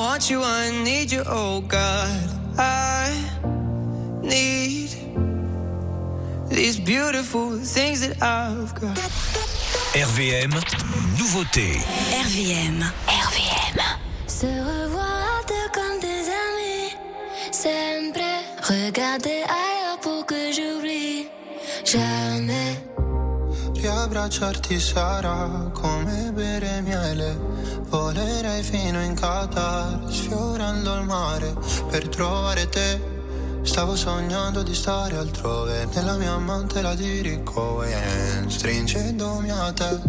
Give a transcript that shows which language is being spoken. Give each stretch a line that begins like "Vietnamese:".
English: You, I need you, oh God. I need these beautiful things that I've got.
French: RVM, nouveauté. RVM, RVM. Se revoir comme des amis, sempre. Regarder ailleurs pour que j'oublie, jamais.
Italian: Riabbracciarti sarà come bere miele. Volerei fino in Qatar, sfiorando il mare, per trovare te. Stavo sognando di stare altrove, nella mia mantella di ricoveri, stringendomi a te.